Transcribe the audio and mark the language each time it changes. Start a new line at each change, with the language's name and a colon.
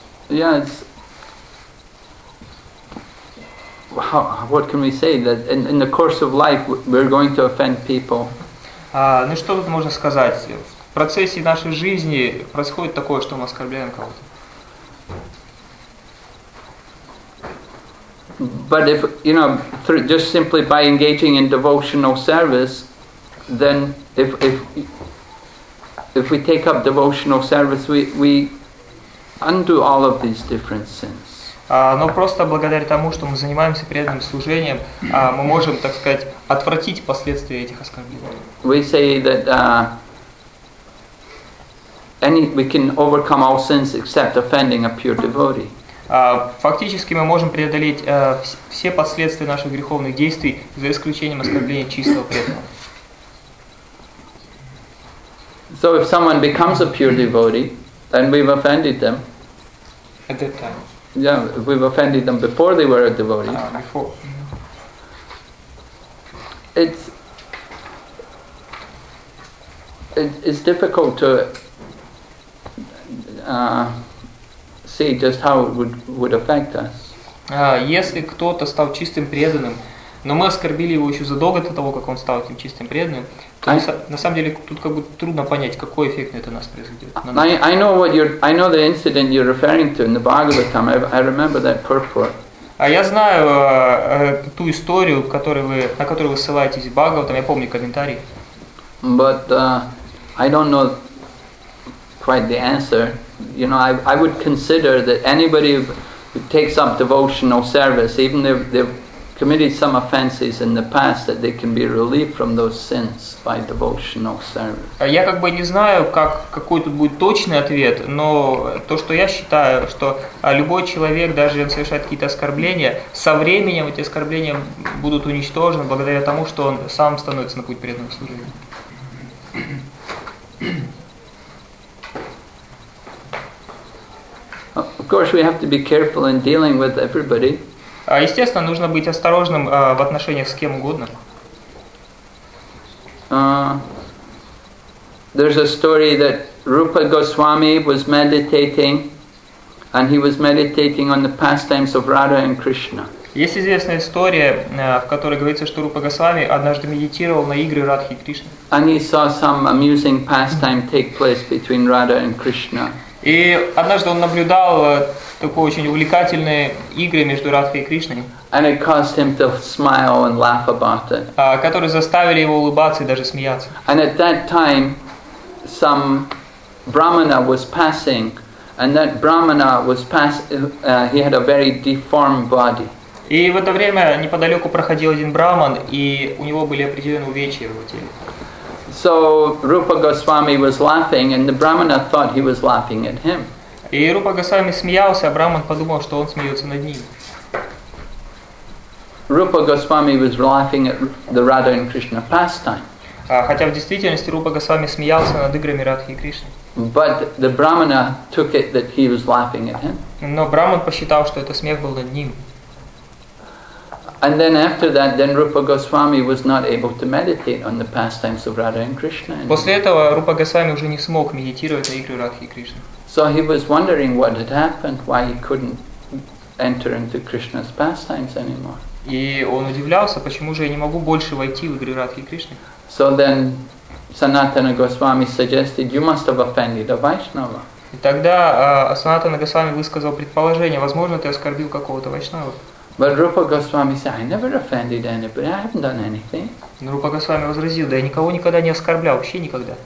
English: Yeah, it's... What can we say that in the course of life we're going to offend people?
Russian: Что тут можно сказать? В процессе нашей жизни происходит такое, что мы оскорбляем кого-то.
English: But if just simply by engaging in devotional service, then if we take up devotional service, we undo all of these different sins.
Russian: Но просто благодаря тому, что мы занимаемся преданным служением, мы можем, так сказать, отвратить последствия этих оскорблений.
English: We say that we can overcome all sins except offending a pure devotee.
Russian: Фактически мы можем преодолеть все последствия наших греховных действий за исключением оскорбления чистого преданного.
English: So if someone becomes a pure devotee, then we've offended them. At that time. Yeah, we've offended them before they were a devotee. Before. It's difficult to see just how it would affect us.
Russian: Если кто-то стал чистым преданным, но мы оскорбили его еще задолго до того, как он стал этим чистым преданным, на самом деле тут как бы трудно понять, какой эффект это нас произведет.
English: I know the incident you're referring to in the Bhagavatam. I remember that purport.
Russian: А я знаю ту историю, на которую вы ссылаетесь в Бхагаватам. Я помню комментарий.
English: But I don't know quite the answer. You know, I would consider that anybody who takes up devotional service, even if they've committed some offenses in the past, that they can be relieved from those sins by devotional service.
Russian: Я как бы не знаю, какой тут будет точный ответ, но то, что я считаю, что любой человек, даже если он совершает какие-то оскорбления, со временем эти оскорбления будут уничтожены благодаря тому, что он сам становится на путь преданного служения.
English: Of course, we have to be careful in dealing with everybody.
Russian: Естественно, нужно быть осторожным в отношениях с кем угодно.
English: There's a story that Rupa Goswami was meditating, and he was meditating on the pastimes of Radha and Krishna.
Russian: Есть известная история, в которой говорится, что Рупа Госвами однажды медитировал на игры Радхи и Кришны.
English: And he saw some amusing pastime take place between Radha and Krishna.
Russian: И однажды он наблюдал такое очень увлекательные игры между Радхой и Кришной.
English: And it caused him to smile and laugh about it.
Russian: Которые заставили его улыбаться и даже смеяться.
English: And at that time, some brahmana was passing, And that Brahmana was he had a very deformed body.
Russian: И в это время неподалеку проходил один Брахман, и у него были определенные увечья в его теле.
English: So Rupa Goswami was laughing, and the Brahmana thought he was laughing at him.
Russian: И Рупа Госвами смеялся, а Брахман подумал, что он смеется над ним.
English: Rupa Goswami was laughing at the Radha and Krishna pastime.
Russian: Хотя в действительности Рупа Госвами смеялся над играми Радхи и Кришны.
English: But the Brahmana took it that he was laughing at him.
Russian: Но Брахман посчитал, что это смех был над ним.
English: And then after that, then Rupa Goswami was not able to meditate on the pastimes of Radha and Krishna.
Russian: После этого Рупа Госвами уже не смог медитировать на игры Радхи и Кришны.
English: So he was wondering what had happened, why he couldn't enter into Krishna's pastimes anymore.
Russian: И он удивлялся, почему же я не могу больше войти в игры Радхи и Кришны.
English: So then Sanatana Goswami suggested, you must have offended a Vaishnava.
Russian: И тогда Санатана Госвами высказал предположение, возможно, ты оскорбил какого-то Вайшнава.
English: But Rupa Goswami said, I never offended anybody, I haven't done anything.
Russian: Rupa Goswami возразил, да я никого никогда не оскорблял, вообще никогда.